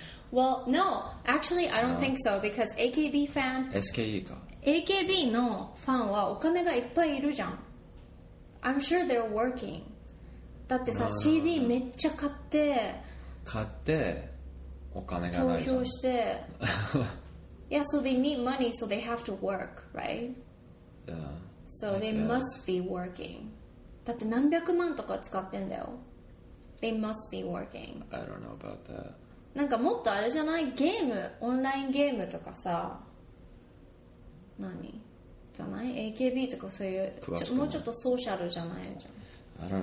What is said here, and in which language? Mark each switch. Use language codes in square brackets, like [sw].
[en] Well, no. Actually, I don't think so. Because AKB fan... [ja] SKE か。 AKB のファンはお金がいっぱいいるじゃん。 [en] I'm sure they're working. [ja] だってさ、CD めっちゃ買って、買ってお金がないじゃん。投票して、 [en] Yeah, so they need money, so they have to work, right? Yeah. So they must be working. だって何百万とか使ってんだよ。 They must be working. I don't know about that. [ja] なんかもっとあれじゃない？ゲーム、オンラインゲームとかさ。何じゃない？AKB とかそういう、もうちょっとソーシャルじゃないじゃん。